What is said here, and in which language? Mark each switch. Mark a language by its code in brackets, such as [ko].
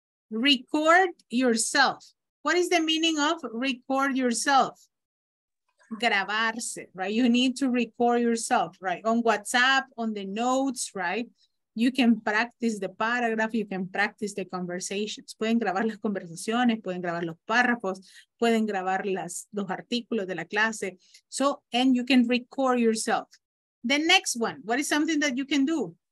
[en] Record yourself. What is the meaning of record yourself? Grabarse, right? You need to record yourself, right? On WhatsApp, on the notes, right? You can practice the paragraph, you can practice the conversations. [es] Pueden grabar las conversaciones, pueden grabar los párrafos, pueden grabar los artículos de la clase. [en] So, and you can record yourself. The next one, what is something that you can do?